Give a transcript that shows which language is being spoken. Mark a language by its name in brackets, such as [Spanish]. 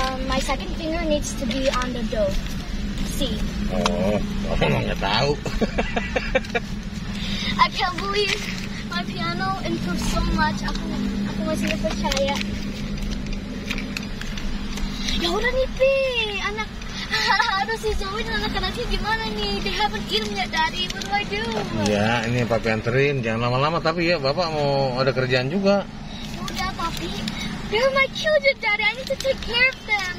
[English] My second finger needs to be on the dough. See. [Indonesian] Oh, aku nggak tahu. [English] I can't believe my piano improved so much. [Indonesian] Aku masih nggak percaya. Ya udah nih, Pi. Anak. Aduh, si Zoe dan anak-anaknya gimana nih? [English] They haven't eaten yet, Daddy. What do I do? [Indonesian] Ya, ini Papi anterin. Jangan lama-lama, tapi ya Bapak mau ada kerjaan juga. Udah, Papi. [English] They're my children, Daddy. I need to take care of them.